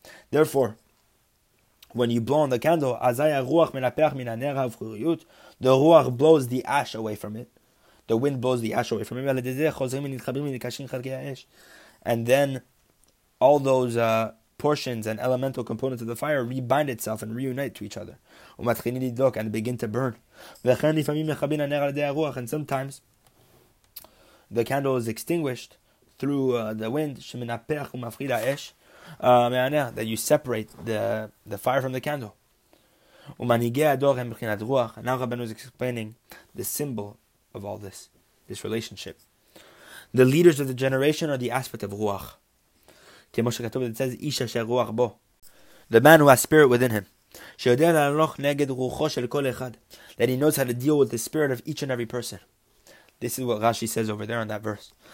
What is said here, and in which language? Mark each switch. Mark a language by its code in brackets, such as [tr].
[en] Therefore, when you blow on the candle, the ruach blows the ash away from it. The wind blows the ash away from it. And then all those portions and elemental components of the fire rebind itself and reunite to each other. [he] ומתחילים לדלוק [en] and begin to burn. [he] וכן לפעמים מכבין הנר על ידי הרוח, [en] and sometimes the candle is extinguished through the wind [he] שמנפח ומפחיד האש מהנר, [en] that you separate the fire from the candle. [he] ומנהיגי הדור הם מבחינת רוח. [en] Now Rabbeinu is explaining the symbol of all this relationship. The leaders of the generation are the aspect of ruach. [he] כמו שכתוב, [en] it says, [he] איש אשר רוח בו. [en] The man who has spirit within him. [he] שיודע להלוך נגד רוחו של כל אחד. [en] That he knows how to deal with the spirit of each and every person. This is what Rashi says over there on that verse.